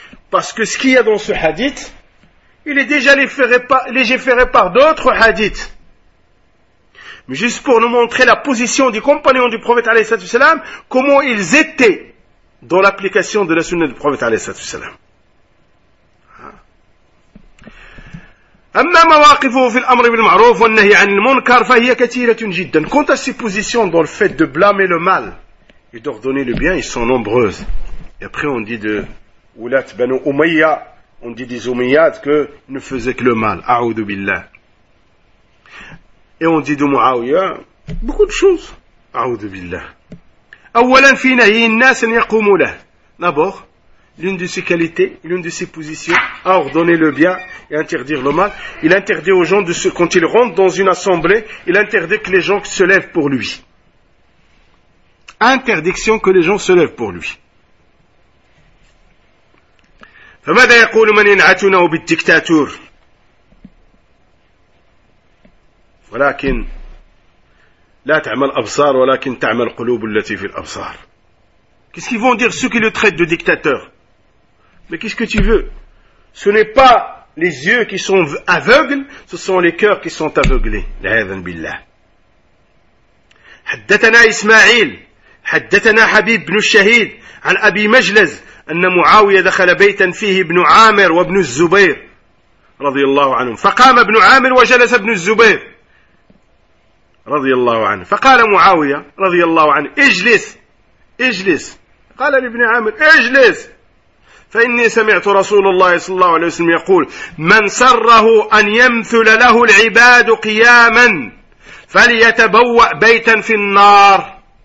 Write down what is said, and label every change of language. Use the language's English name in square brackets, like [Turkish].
[French] Parce que ce qu'il y a dans ce hadith, il est déjà légiféré par d'autres hadiths. Mais juste pour nous montrer la position des compagnons du prophète alayhi sallam, comment ils étaient dans l'application de la sunna du prophète alayhi sallam. [Arabic] أما مواقفه في الأمر بالمعروف والنهي عن المنكر فهي كثيرة جدا. [French] Quant à ses positions dans le fait de blâmer le mal et d'ordonner le bien, ils sont nombreuses. Et après on dit de Oulat ben Umayya, on dit des Umayyades que ne faisaient que le mal. A'oudou billah. Et on dit de Muawiya beaucoup de choses. A'oudou billah. [Arabic] أولا في نهي الناس أن يقوموا له. [French] D'abord, l'une de ses qualités, l'une de ses positions, à ordonner le bien et interdire le mal. Il interdit aux gens de se, quand ils rentrent dans une assemblée, il interdit que les gens se lèvent pour lui. Interdiction que les gens se lèvent pour lui. [Arabic] فماذا يقول من ينعتنا بالديكتاتور؟ ولكن لا تعمل أبصار ولكن تعمل قلوب التي في الأبصار. [French] Qu'est-ce qu'ils vont dire ceux qui le traitent de dictateur? Mais qu'est-ce que tu veux? Ce n'est pas les yeux qui sont aveugles, ce sont les cœurs qui sont aveuglés. La'adhan billah. [Arabic] حدثنا إسماعيل حدثنا حبيب بن الشهيد عن أبي مجلز أن معاوية دخل بيتا فيه ابن عامر وابن الزبير رضي الله عنهم فقام ابن عامر وجلس ابن الزبير رضي الله عنه فقال معاوية رضي الله عنه اجلس اجلس قال لابن عامر اجلس فإني سمعت رسول الله صلى الله عليه وسلم يقول من سره أن يمثل له العباد قياما فليتبوأ بيتا في النار